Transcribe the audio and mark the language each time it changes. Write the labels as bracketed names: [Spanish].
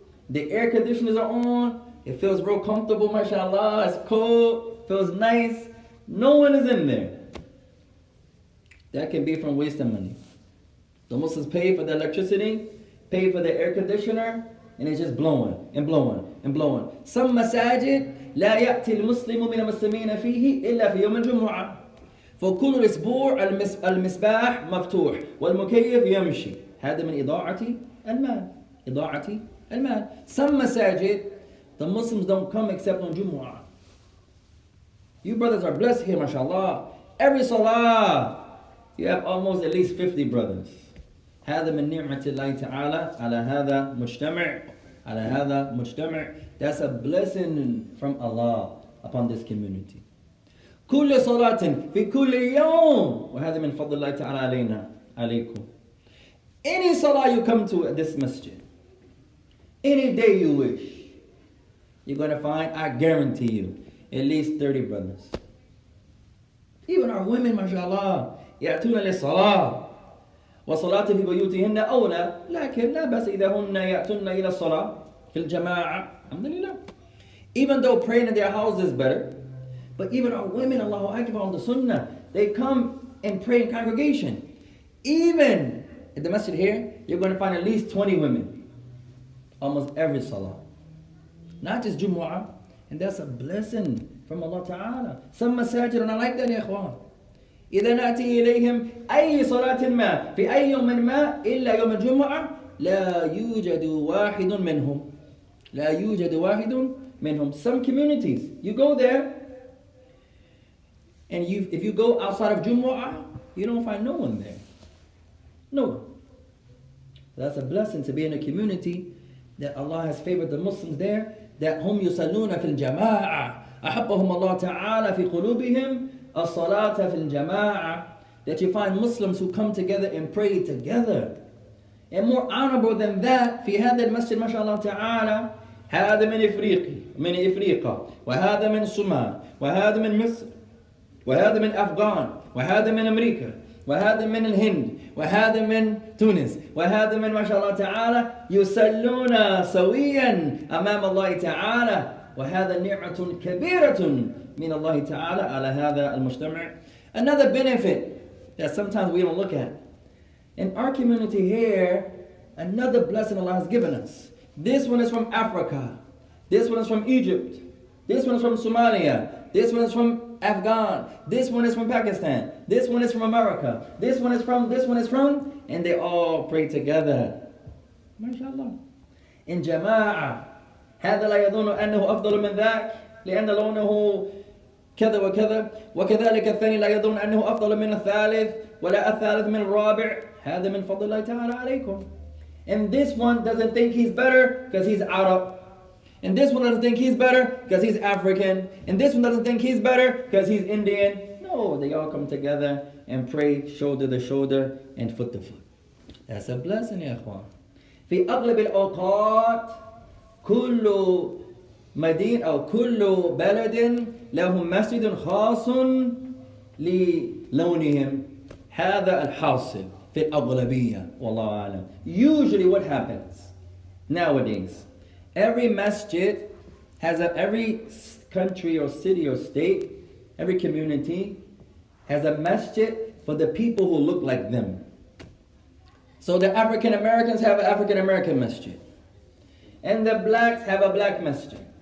[English] The air conditioners are on. It feels real comfortable, mashallah. It's cold. Feels nice. No one is in there. That can be from wasting money. The Muslims pay for the electricity, pay for the air conditioner, and it's just blowing and blowing and blowing. Some masajid, [Arabic] لا يأتي المسلم من المسلمين فيه إلا في يوم الجمعة. فكل أسبوع المصباح مفتوح والمكيف يمشي. هذا من إضاعة المال. إضاعة المال. [English] Some masajid, the Muslims don't come except on Jumu'ah. You brothers are blessed here, mashallah. Every salah, you have almost at least 50 brothers. [Arabic] هذا من نعمة الله تعالى على هذا مجتمع. على هذا مجتمع. [English] That's a blessing from Allah upon this community. [Arabic] كل صلاة في كل يوم وهذا من فضل الله تعالى علينا عليكم. [English] Any salah you come to at this masjid, any day you wish, you're going to find, I guarantee you, at least 30 brothers. Even our women, mashallah, [Arabic] يأتون للصلاة وصلاة في بيوتهن أولى لكن لا بس إذا هن يأتون إلى الصلاة في الجماعة الحمد لله. [English] Even though praying in their house is better, but even our women, Allahu Akbar, on the sunnah, they come and pray in congregation. Even at the masjid here, you're going to find at least 20 women. Almost every salah. Not just Jumu'ah. And that's a blessing from Allah Ta'ala. Some masajid, and I like that, ya ikhwan. [Arabic] إِذَا نَأْتِي إِلَيْهِمْ أَيِّ صَلَاةٍ مَا فِي أَيِّ يَوْمٍ مَا إِلَّا يَوْمَ الْجُمُعَةِ لَا يُوجَدُ وَاحِدٌ مِّنْهُمْ لَا يُوجَدُ وَاحِدٌ مِّنْهُمْ. [English] Some communities, you go there, and if you go outside of Jumu'ah, you don't find no one there. No one. That's a blessing to be in a community that Allah has favored the Muslims there, that [Arabic] هم يصلون في الجماعة أحبهم الله تعالى في قلوبهم الصلاة في الجماعة. [English] that you find Muslims who come together and pray together. And more honorable than that, [Arabic] في هذا المسجد ما شاء الله تعالى هذا من إفريقي من إفريقا وهذا من الصومال وهذا من مصر وهذا من أفغان وهذا من أمريكا وهذا من الهند وهذا من تونس وهذا من ما شاء الله تعالى يصلون سويا أمام الله تعالى وهذا نعمة كبيرة من الله تعالى على هذا المجتمع. [English] Another benefit that sometimes we don't look at. In our community here, another blessing Allah has given us. This one is from Africa. This one is from Egypt. This one is from Somalia. This one is from Afghan. This one is from Pakistan. This one is from America. This one is from. And they all pray together. MashaAllah. In Jama'ah. [Arabic] هذا لا يظن أنه أفضل من ذاك لأن لونه كذا وكذا وكذلك الثاني لا يظن أنه أفضل من الثالث ولا الثالث من الرابع هذا من فضل الله تعالى عليكم. [English] And this one doesn't think he's better because he's Arab. And this one doesn't think he's better because he's African. And this one doesn't think he's better because he's Indian. No, they all come together and pray shoulder to shoulder and foot to foot. That's a blessing, ya ikhwan. [Arabic] في أغلب الأوقات كل مدينة أو كل بلد لهم مسجد خاص للونهم هذا الحاصل في الأغلبية والله أعلم. [English] Usually what happens nowadays, every masjid has a, every country or city or state, every community has a masjid for the people who look like them. So the African Americans have an African American masjid. And the blacks have a black masjid.